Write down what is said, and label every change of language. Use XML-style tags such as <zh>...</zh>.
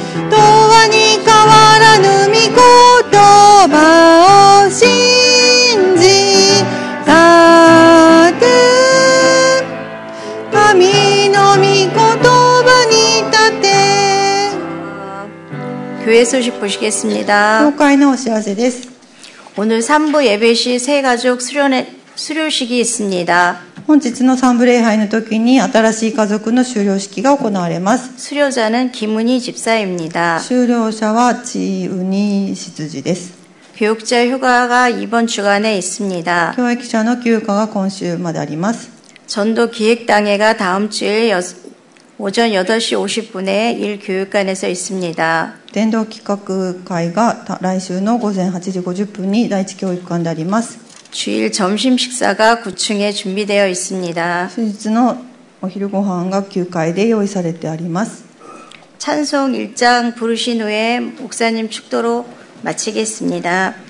<ja>永遠に変わらぬ御言葉を信じ立て神の御言葉に立て</ja> <ko>교회소식보시겠습니다</ko> <ja>教会のお知らせです</ja> <ko>오늘3부예배시새가족수료식이있습니다</ko> <ja>本日の3部礼拝の時に新しい家族の修了式が行われます</ja> <ko>수료자는김은희집사입니다</ko> <ja>修了者は지은희執事です</ja> <ko>교육자휴가가이번주간에있습니다</ko> <ja>교육자の休暇が今週まであります</ja> <ko>전도기획당회가다음주에오전8시50분에1교육관에서있습니다</ko> <ja>伝道企画会が来週の午前8時50分に第一教育館であります。</ja> <ko>주일점심식사가9층에준비되어있습니다。</ko> <ja>수日のお昼ご飯が9階で用意されてあります。</ja> <ko>찬송1장부르신후에목사님축도로마치겠습니다。</ko>